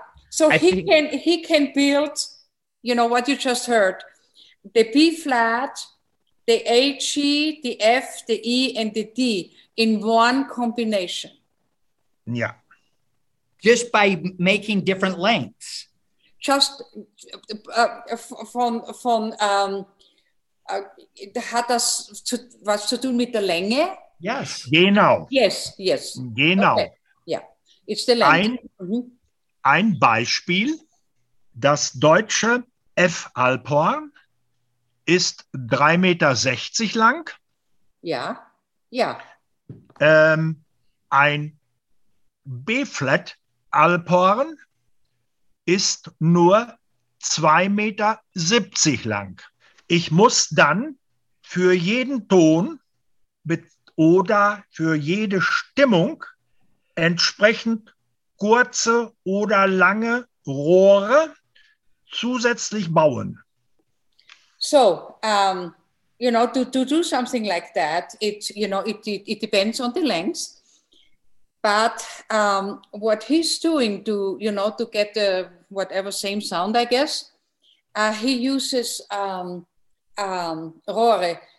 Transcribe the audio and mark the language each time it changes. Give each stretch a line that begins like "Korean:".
English: So he can build, you know, what you just heard, the B flat, the AG, the F, the E, and the D in one combination. Yeah. Just by making different lengths.
German: Just hat das was zu tun mit der Länge?
English: Yes,
German: genau.
English: Yes.
German: Genau.
English: Okay. Yeah, it's the length.
German: Ein Beispiel, das deutsche F-Alphorn ist 3,60 Meter lang. Ja. Ein B-Flat-Alphorn ist nur 2,70 Meter lang. Ich muss dann für jeden Ton oder für jede Stimmung entsprechend kurze oder lange Rohre zusätzlich bauen.
English: So, you know, to do something like that, it depends on the length. But what he's doing to, you know, to get the whatever same sound, I guess, he uses Rohre.